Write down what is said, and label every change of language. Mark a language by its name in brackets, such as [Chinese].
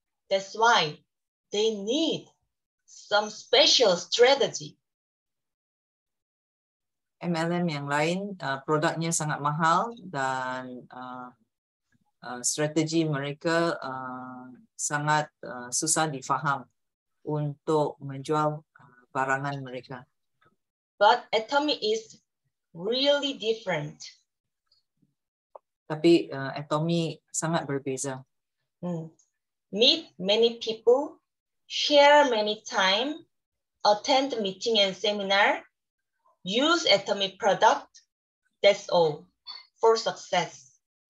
[English] That's why they need some special strategy. [Malay] MLM yang lain, produknya sangat mahal dan strategi mereka sangat susah difaham untuk menjual barangan mereka. [English] But Atomy is really different. [Malay] Tapi Atomy sangat berbeza. [English] Meet many people, share many time, attend meeting and seminar, use Atomy product, that's all for success.